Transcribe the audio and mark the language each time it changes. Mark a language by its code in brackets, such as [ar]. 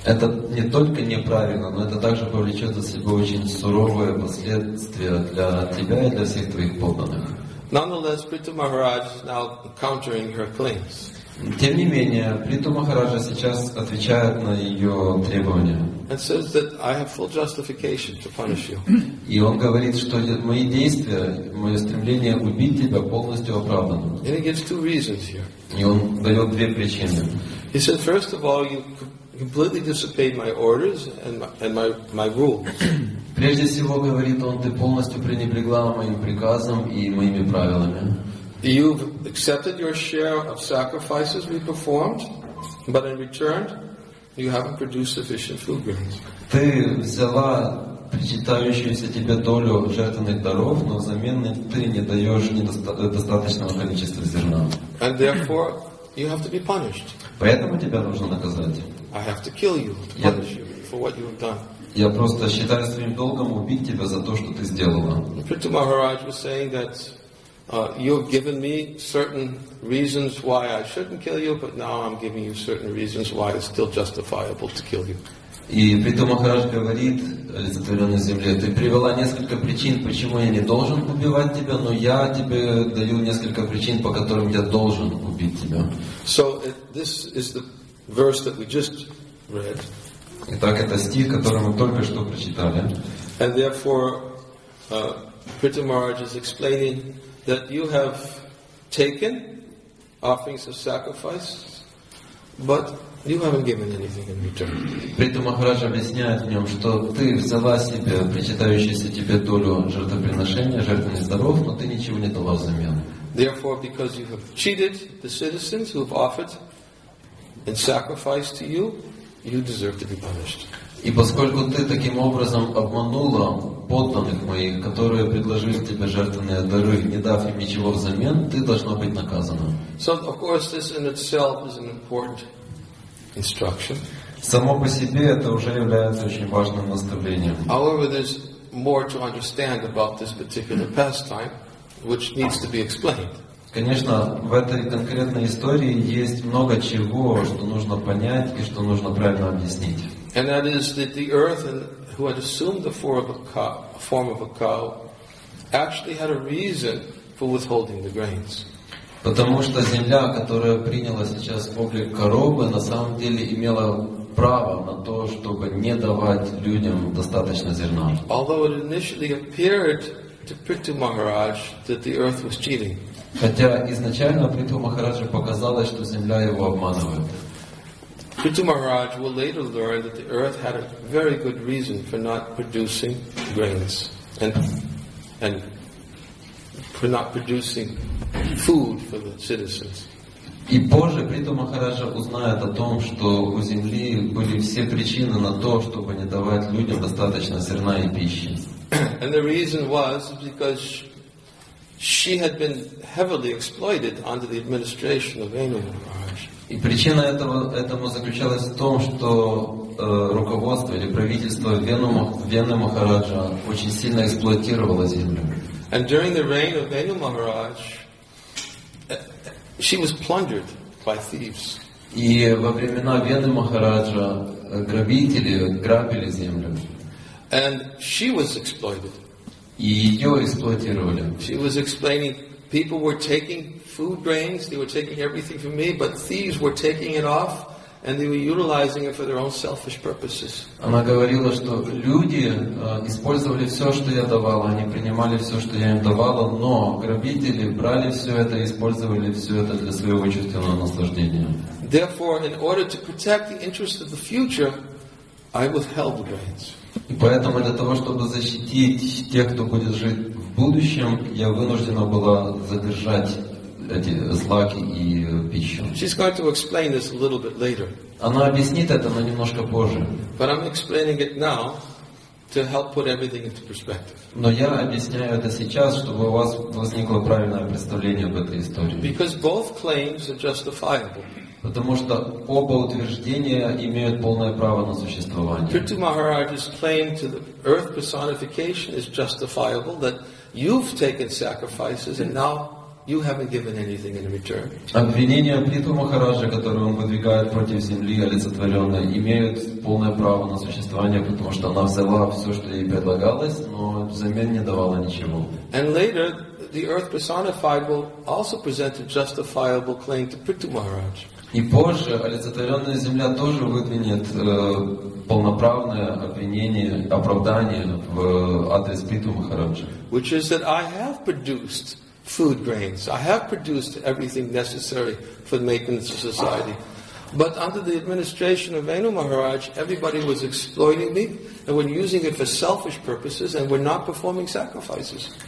[ru] Это не только неправильно, но это также повлечет за собой очень суровые последствия для тебя и для всех твоих подданных. [en] Nonetheless, Prita Maharaj is now countering her claims. [ru] Тем не менее, Прита Махараджа сейчас отвечает на ее требования. [en] And says that I have full justification to punish you. [ru] И он говорит, что мои действия, мое стремление убить тебя полностью оправдано. [en] And he gives two reasons here. [ru] И он дает две причины. [en] He said, first of all, you completely disobeyed my orders and my rules. [ru] Прежде всего, говорит он, ты полностью пренебрегла моим приказом и моими правилами. [en] You've accepted your share of sacrifices we performed, but in return, you haven't produced sufficient food grains. [ru] Ты взяла причитающуюся тебе долю жертвенных даров, но взамен ты не даешь недостаточного количества зерна. [en] And therefore, you have to be punished. [ru] Поэтому тебя нужно наказать. [en] I have to kill you to punish you for what you've done. [ru] Я просто считаю своим долгом убить тебя за то, что ты сделала. [en] Prita Maharaj was saying that you've given me certain reasons why I shouldn't kill you, but now I'm giving you certain reasons why it's still justifiable to kill you. [ru] И Прита Махарадж говорит олицетворенной земле, ты привела несколько причин, почему я не должен убивать тебя, но я тебе даю несколько причин, по которым я должен убить тебя. [en] So this is the verse that we just read. [ru] Итак, это стих, который мы только что прочитали. [en] And therefore, Prita Maharaj is explaining that you have taken offerings of sacrifice, but you haven't given anything in return. [ru] Прита Махарадж объясняет в нем, что ты взяла себе причитающуюся тебе долю жертвоприношения, жертвенных даров, но ты ничего не дала взамен. [en] Therefore, because you have cheated the citizens who have offered in sacrifice to you, you deserve to be punished. [ru] И поскольку ты таким образом обманула подданных моих, которые предложили тебе жертвенные дары, не дав им ничего взамен, ты должна быть наказана. [en] So, of course, this in itself is an important instruction. [ru] Само по себе это уже является очень важным наставлением. [en] However, there's more to understand about this particular pastime, which needs to be explained. [ru] Конечно, в этой конкретной истории есть много чего, что нужно понять и что нужно правильно объяснить. [en] And that is that the earth and who had assumed the form of a cow actually had a reason for withholding the grains. [ru] Потому что земля, которая приняла сейчас облик коровы, на самом деле имела право на то, чтобы не давать людям достаточно зерна. [en] Although it initially appeared to Prithu Maharaj that the earth was cheating. [ru] Хотя изначально Притху Махараджу показалось, что земля его обманывает. [en] Притху Махарадж will later learn that the earth had a very good reason for not producing grains and for not producing food for the citizens. [ru] И позже Притху Махараджа узнает о том, что у земли были все причины на то, чтобы не давать людям достаточно зерна и пищи. [en] And the reason was because she had been heavily exploited under the administration of Venu Maharaj. [ru] И причина этому заключалась в том, что руководство или правительство Вену Махараджа очень сильно эксплуатировало землю. [en] And during the reign of Venu Maharaj, she was plundered by thieves. [ru] И во времена Вену Махараджа грабители грабили землю. [en] And she was exploited. [ru] И ее эксплуатировали. [en] She was explaining, people were taking food grains, they were taking everything from me, but thieves were taking it off, and they were utilizing it for their own selfish purposes. [ru] Она говорила, что люди использовали все, что я давала, они принимали все, что я им давала, но грабители брали все это и использовали все это для своего чувственного наслаждения. [en] Therefore, in order to protect the interests of the future, I withheld the grains. [ru] И поэтому для того, чтобы защитить тех, кто будет жить в будущем, я вынуждена была задержать эти злаки и пищу. [en] She's going to explain this a little bit later. [ru] Она объяснит это, но немножко позже. [en] But I'm explaining it now to help put everything into perspective. [ru] Но я объясняю это сейчас, чтобы у вас возникло правильное представление об этой истории. [en] Because both claims are justifiable. [ru] Потому что оба утверждения имеют полное право на существование. [en] Prithu Maharaj's claim to the earth personification is justifiable, that you've taken sacrifices and now you haven't given anything in return. [ru] Обвинения Притху Махараджа, которые он выдвигает против земли олицетворенной, имеют полное право на существование, потому что она взяла все, что ей предлагалось, но взамен не давала ничего. [en] And later, the earth personified will also present a justifiable claim to Prithu Maharaj. [ru] И позже олицетворенная земля тоже выдвинет полноправное обвинение, оправдание в адрес Притху Махараджа. [en] Which is that I have produced food grains. I have produced everything necessary for the maintenance of society. But under the administration of Venu Maharaj, everybody was exploiting me and were using it for selfish purposes and were not performing sacrifices.